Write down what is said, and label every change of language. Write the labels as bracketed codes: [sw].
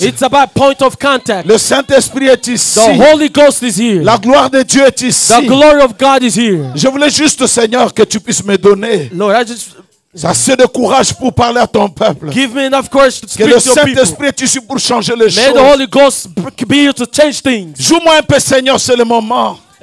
[en] It's about a point of contact. [fr] Le Saint-Esprit est ici. [en] The Holy Ghost is here. [fr] La gloire de Dieu est ici. [en] The glory of God is here. [fr] Je voulais juste, Seigneur, que tu puisses me donner. [en] Lord, I just [fr] assez de courage pour parler à ton peuple. [en] Give me enough courage to speak [fr] que le Saint-Esprit est ici pour changer les [en] May [fr] choses. [en] May the Holy Ghost be here to change things. [fr] Joue-moi un peu, Seigneur, c'est le moment.